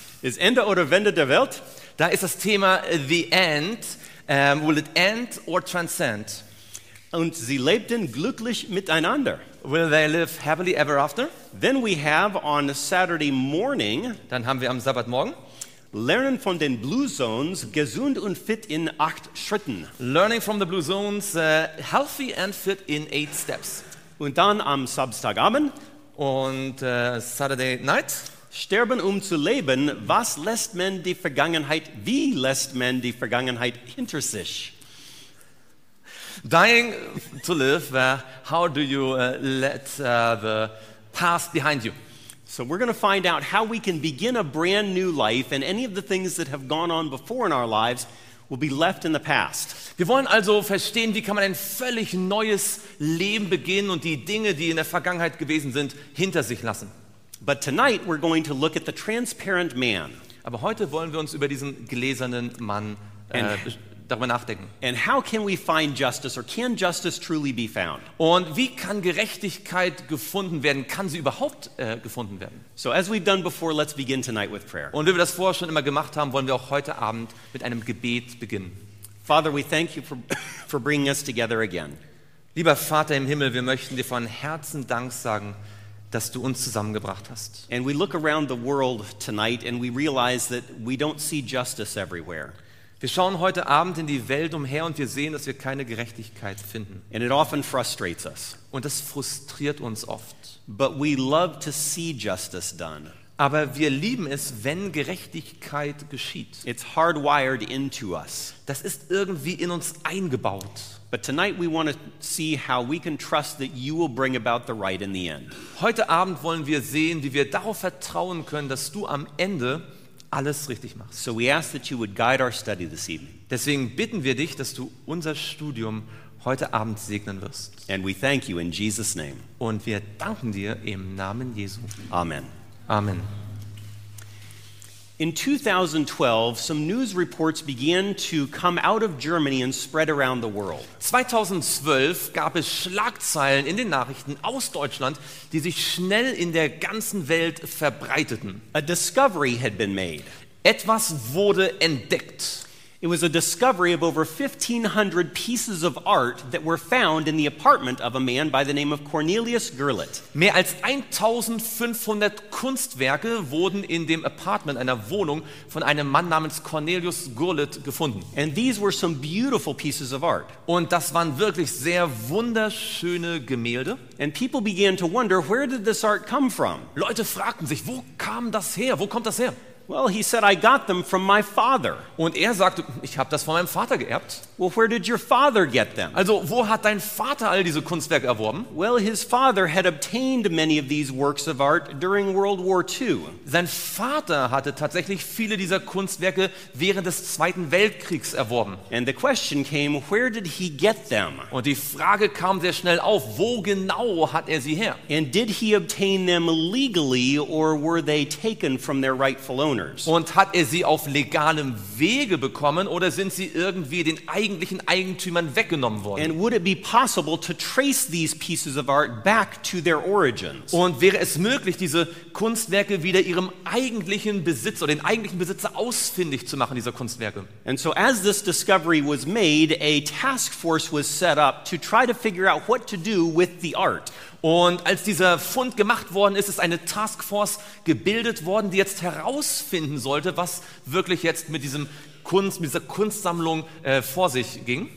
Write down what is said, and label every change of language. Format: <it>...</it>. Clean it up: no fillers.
<de>Ist Ende oder Wende der Welt? Da ist das Thema</de> <en>the end. Will it end or transcend?</en> <de>Und sie lebten glücklich miteinander.</de> <en>Will they live happily ever after? Then we have on Saturday morning.</en> <de>Dann haben wir am Sabbatmorgen. Lernen von den Blue Zones, gesund und fit in 8 Schritten.</de> <en>Learning from the Blue Zones, healthy and fit in 8 steps.</en> <de>Und dann am Samstagabend.</de> <en>Und Saturday night.</en> <de>Sterben um zu leben, wie lässt man die Vergangenheit hinter sich?</de> <en>Dying to live, how do you let the past behind you? So we're going to find out how we can begin a brand new life, and any of the things that have gone on before in our lives will be left in the past.</en> <de>Wir wollen also verstehen, wie kann man ein völlig neues Leben beginnen und die Dinge, die in der Vergangenheit gewesen sind, hinter sich lassen.</de> <en>But tonight we're going to look at the transparent man.</en> <de>Aber heute wollen wir uns über diesen gläsernen Mann darüber nachdenken.</de> <en>And how can we find justice, or can justice truly be found?</en> <de>Und wie kann Gerechtigkeit gefunden werden? Kann sie überhaupt gefunden werden?</de> <en>So as we've done before, let's begin tonight with prayer.</en> <de>Und wie wir das vorher schon immer gemacht haben, wollen wir auch heute Abend mit einem Gebet beginnen.</de> <en>Father, we thank you for bringing us together again.</en> <de>Lieber Vater im Himmel, wir möchten dir von Herzen Dank sagen, dass du uns zusammengebracht hast.</de> <en>And we look around the world tonight and we realize that we don't see justice everywhere.</en> <de>Wir schauen heute Abend in die Welt umher und wir sehen, dass wir keine Gerechtigkeit finden.</de> <en>And it often frustrates us.</en> <de>Und das frustriert uns oft.</de> <en>But we love to see justice done.</en> <de>Aber wir lieben es, wenn Gerechtigkeit geschieht.</de> <en>It's hardwired into us.</en> <de>Das ist irgendwie in uns eingebaut.</de> <en>But tonight we want to see how we can trust that you will bring about the right in the end.</en> <de>Heute Abend wollen wir sehen, wie wir darauf vertrauen können, dass du am Ende alles richtig machst.</de> <en>So we ask that you would guide our study this evening.</en> <de>Deswegen bitten wir dich, dass du unser Studium heute Abend segnen wirst.</de> <en>And we thank you in Jesus' name.</en> <de>Und wir danken dir im Namen Jesu.</de> <en>Amen.</en> <de>Amen.</de> <en>In 2012, some news reports began to come out of Germany and spread around the world.</en> <de>2012 gab es Schlagzeilen in den Nachrichten aus Deutschland, die sich schnell in der ganzen Welt verbreiteten.</de> <en>A discovery had been made.</en> <de>Etwas wurde entdeckt.</de> <en>It was a discovery of over 1500 pieces of art that were found in the apartment of a man by the name of Cornelius Gurlitt.</en> <de>Mehr als 1500 Kunstwerke wurden in dem Apartment, einer Wohnung, von einem Mann namens Cornelius Gurlitt gefunden.</de> <en>And these were some beautiful pieces of art.</en> <de>Und das waren wirklich sehr wunderschöne Gemälde.</de> <en>And people began to wonder, where did this art come from?</en> <de>Leute fragten sich, wo kam das her? Wo kommt das her?</de> <en>Well, he said, I got them from my father.</en> <de>Und sagte, ich habe das von meinem Vater geerbt.</de> <en>Well, where did your father get them?</en> <de>Also, wo hat dein Vater all diese Kunstwerke erworben?</de> <en>Well, his father had obtained many of these works of art during World War II.</en> <de>Sein Vater hatte tatsächlich viele dieser Kunstwerke während des Zweiten Weltkriegs erworben.</de> <en>And the question came, where did he get them?</en> <de>Und die Frage kam sehr schnell auf, wo genau hat sie her?</de> <en>And did he obtain them legally, or were they taken from their rightful owners?</en> <de>Und hat sie auf legalem Wege bekommen, oder sind sie irgendwie den eigentlichen Eigentümern weggenommen worden?</de> <en>And would it be possible to trace these pieces of art back to their origins?</en> <de>Und wäre es möglich, diese Kunstwerke wieder ihrem eigentlichen Besitzer oder den eigentlichen Besitzer ausfindig zu machen, dieser Kunstwerke?</de> <en>And so as this discovery was made, a task force was set up to try to figure out what to do with the art.</en> <de>Und als dieser Fund gemacht worden ist, ist eine Taskforce gebildet worden, die jetzt herausfinden sollte, was wirklich jetzt mit diesem Kunst, mit dieser Kunstsammlung vor sich ging.</de>